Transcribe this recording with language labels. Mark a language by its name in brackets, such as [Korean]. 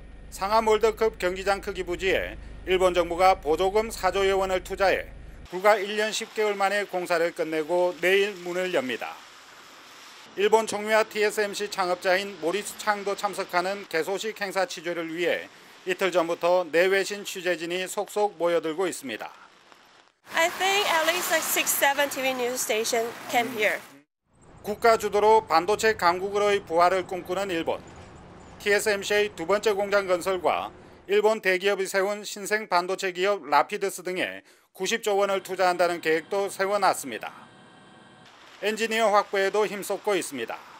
[Korean] 상암 월드컵 경기장 크기 부지에 일본 정부가 보조금 4조 여원을 투자해 불과 1년 10개월 만에 공사를 끝내고 내일 문을 엽니다. 일본 총회와 TSMC 창업자인 모리스 창도 참석하는 개소식 행사 취재를 위해 이틀 전부터 내외신 취재진이 속속 모여들고 있습니다. [English] I think at least like 6-7 TV news station came here. [Korean] 국가 주도로 반도체 강국으로의 부활을 꿈꾸는 일본. TSMC의 두 번째 공장 건설과 일본 대기업이 세운 신생 반도체 기업 라피드스 등에 90조 원을 투자한다는 계획도 세워놨습니다. 엔지니어 확보에도 힘쏟고 있습니다.